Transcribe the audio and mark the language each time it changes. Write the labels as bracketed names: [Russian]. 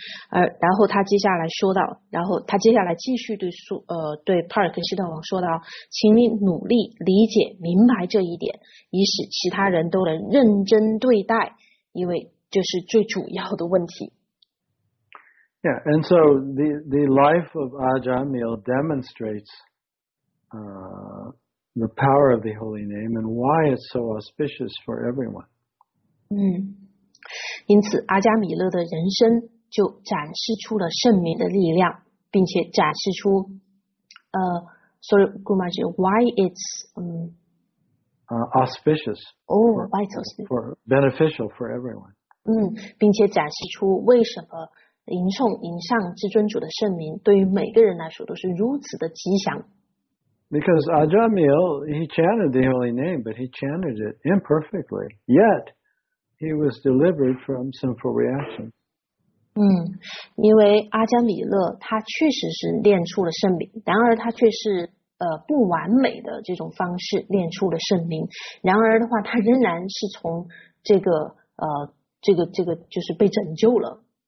[Chinese] 然后他接下来说到，然后他接下来继续对帕尔克西特王说道，请你努力理解明白这一点，以使其他人都能认真对待，因为这是最主要的问题。 [English] Yeah, and so the life of Ajahn Mill demonstrates the power of the holy name and why it's so auspicious for everyone. [Chinese] 因此阿加米勒的人生就展示出了圣名的力量，并且展示出 [English] why it's auspicious for beneficial for everyone. [Chinese] 并且展示出为什么吟诵吟上至尊主的圣名，对于每个人来说都是如此的吉祥。 [English] Because Ajamil, he chanted the holy name, but he chanted it imperfectly. Yet, he was delivered from sinful reaction. [Chinese] 因为阿加米勒他确实是念出了圣名，然而他却是不完美的这种方式念出了圣名。然而的话，他仍然是从这个就是被拯救了。